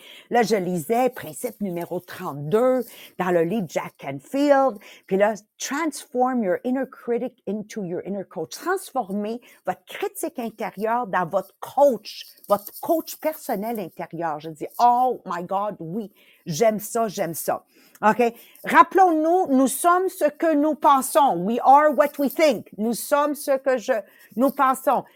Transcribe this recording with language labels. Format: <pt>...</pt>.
<fr>Là, je lisais principe numéro 32 dans le livre Jack Canfield. Puis là,</fr> <en>transform your inner critic into your inner coach.</en> <fr>Transformez votre critique intérieure dans votre coach personnel intérieur. Je dis,</fr> <en>oh my God,</en> <fr>oui, j'aime ça. OK? Rappelons-nous, nous sommes ce que nous pensons.</fr> <en>We are what we think.</en> <fr>Nous pensons.</fr>